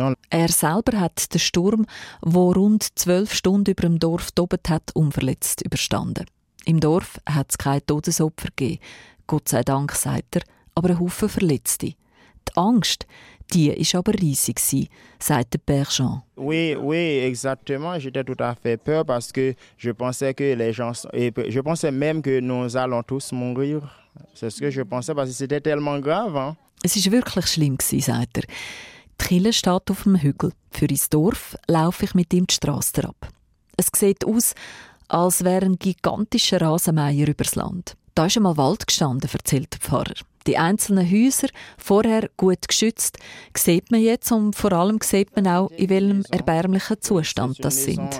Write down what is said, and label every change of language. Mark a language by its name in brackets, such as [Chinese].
[German] Er selber hat den Sturm, der rund 12 Stunden über dem Dorf tobt hat, unverletzt überstanden. Im Dorf hat es kein Todesopfer gegeben. Gott sei Dank, sagt er, aber ein Haufen Verletzte. Die Angst, die ist aber riesig gewesen, sagt der Père Jean. [French] Oui, oui, exactement. J'étais tout à fait peur parce que je pensais que les gens, je pensais même que nous allons tous mourir. C'est ce que je pensais parce que c'était tellement grave. Hein? [German] Es ist wirklich schlimm gewesen, sagt er. Die Kille steht auf dem Hügel. Für ins Dorf laufe ich mit ihm die Strasse ab. Es sieht aus, als wäre ein gigantischer Rasenmäher übers Land. Da ist einmal Wald gestanden, erzählt der Pfarrer. Die einzelnen Häuser, vorher gut geschützt, sieht man jetzt und vor allem sieht man auch, in welchem erbärmlichen Zustand das sind.